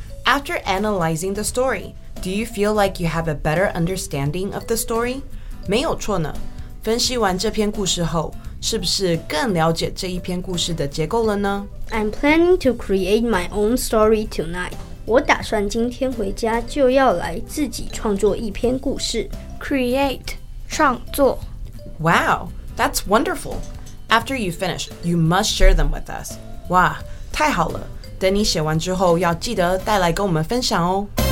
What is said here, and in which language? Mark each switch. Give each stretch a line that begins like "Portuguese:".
English: After analyzing the story, do you feel like you have a better understanding of the story?
Chinese: 没有错呢，分析完这篇故事后，是不是更了解这一篇故事的结构了呢？
English: I'm planning to create my own story tonight.
Chinese: 我打算今天回家就要来自己创作一篇故事。
English: Create,
Chinese: 创作。
English: Wow, that's wonderful. After you finish, you must share them with us.
Chinese: 哇，太好了，等你写完之后要记得带来跟我们分享哦。